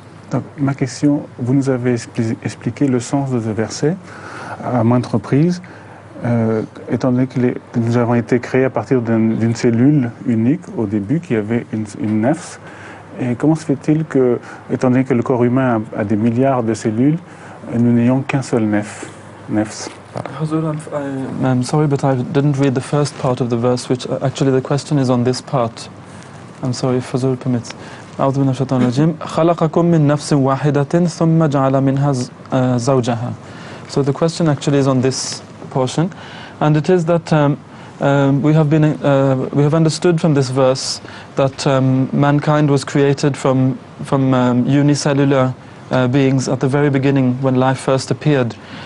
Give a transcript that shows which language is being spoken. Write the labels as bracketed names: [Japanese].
[French] Donc, ma question, vous nous avez expliqué le sens de ce verset à maintes reprises. Étant donné que nous avons été créés à partir d'une cellule unique au début, qui avait une nefs, et comment se fait-il que, étant donné que le corps humain a des milliards de cellules, nous n'ayons qu'un seul nefs? [English] I'm sorry, but I didn't read the first part of the verse, which actually the question is on this part. I'm sorry if Hazur permits. [Arabic] أعوذ من الشيطان الرجيم. خلقكم من نفس واحدة ثم جعل منها زوجها. [English] So the question actually is on this portion, and it is that we have understood from this verse that mankind was created from unicellular beings at the very beginning when life first appeared.